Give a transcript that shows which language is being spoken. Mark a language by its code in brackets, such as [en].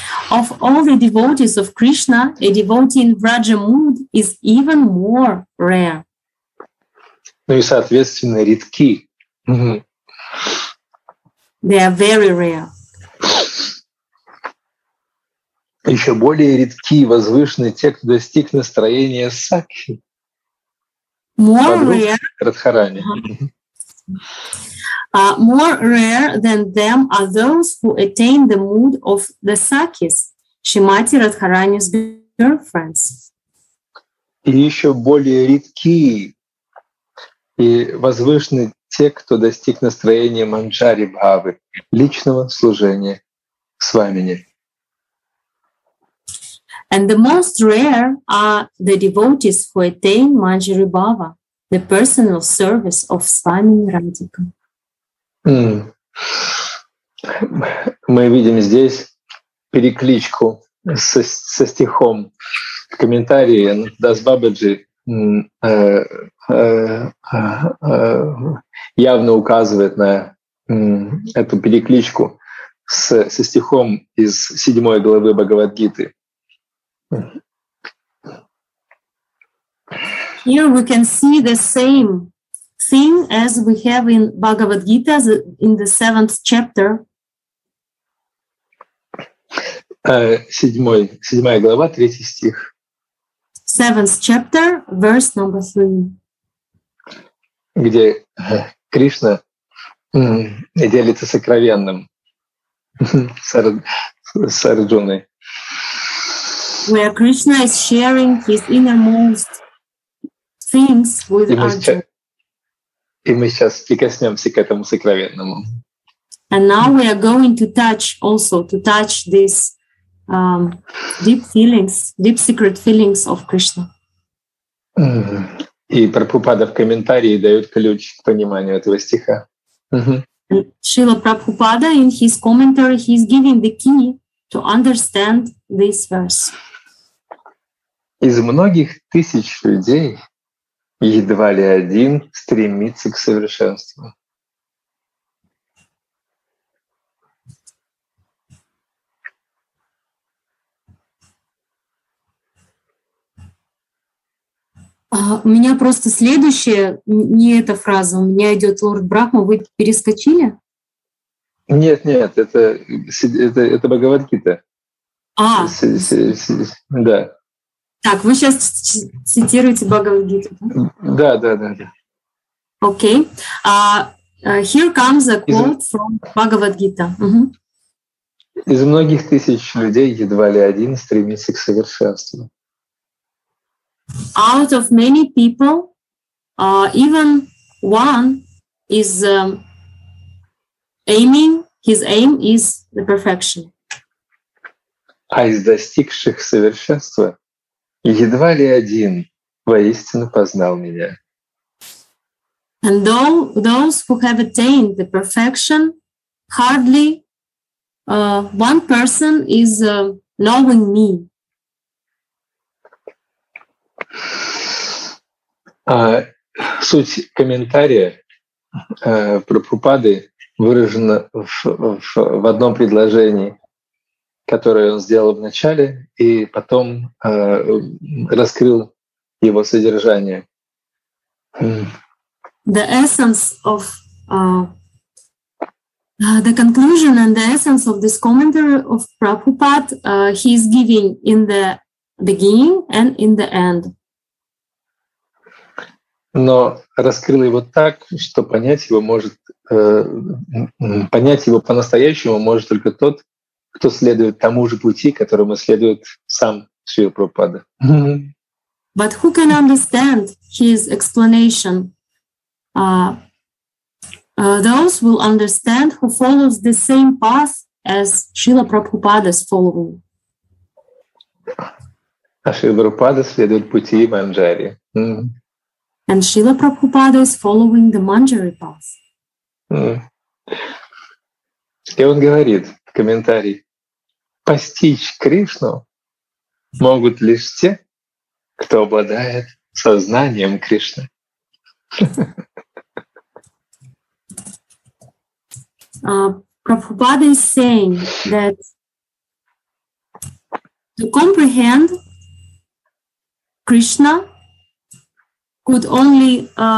[en] Of all the devotees of Krishna, a devotee in Vraja mood is even more rare. [ru] Ну и, соответственно, редки. [en] They are very rare. [ru] Еще более редки и возвышены те, кто достиг настроения сакхи. [en] More rare than them are those who attain the mood of the sakis, Shrimati Radharani's girlfriends. [ru] И еще более редки и возвышены те, кто достиг настроения манджари бхавы, личного служения свамине. [en] And the most rare are the devotees who attain Manjari Bhava, the personal service of Swami Radhika. [ru] Мы видим здесь перекличку со стихом в комментарии Дас Бабаджи явно указывает на эту перекличку со стихом из 7 главы Бхагавад-гиты. [en] Here we can see the same thing as we have in Bhagavad Gita in the 7th chapter. [ru] 7 глава, 3 стих. [en] 7th chapter, verse number 3. [ru] Где Кришна делится сокровенным с Арджуной. [en] Where Krishna is sharing his innermost things with Arjuna. [ru] И мы сейчас прикоснемся к этому сокровенному. [en] And now we are going to touch also, to touch these deep feelings, deep secret feelings of Krishna. [ru] И Прабхупада в комментарии дает ключ к пониманию этого стиха. [en] Шрила Прабхупада in his commentary, he is giving the key to understand this verse. [ru] Из многих тысяч людей едва ли один стремится к совершенству. У меня просто следующая, не эта фраза, у меня идет Лорд Брахма, вы перескочили? Нет, нет, это Бхагавад-гита. А, да. Так, вы сейчас цитируете Бхагавад-гиту, да? Да, да, да. [en] Окей. Here comes a quote from Бхагавад-гита. [ru] Из многих тысяч людей едва ли один стремится к совершенству. [en] Out of many people, even one is aiming, his aim is the perfection. [ru] А из достигших совершенства едва ли один воистину познал меня. [en] And those who have attained the perfection, hardly one person is knowing me. [ru] Суть комментария Прабхупады выражено в одном предложении, которое он сделал в начале, и потом раскрыл его содержание. [en] The essence of the conclusion and the essence of this commentary of Prabhupada he is giving in the beginning and in the end. [ru] Но раскрыл его так, что понять его по-настоящему может только тот, кто следует тому же пути, которому следует сам Шрила Прабхупада. [en] But who can understand his explanation? Those will understand who follows the same path as Srila Prabhupada's following. [ru] А Шрила Прабхупада следует пути Манджари. [en] And Srila Prabhupada is following the Manjari path. [ru] И он говорит в комментарии, постичь Кришну могут лишь те, кто обладает сознанием Кришны. [en] Prabhupada is saying that to comprehend Krishna could only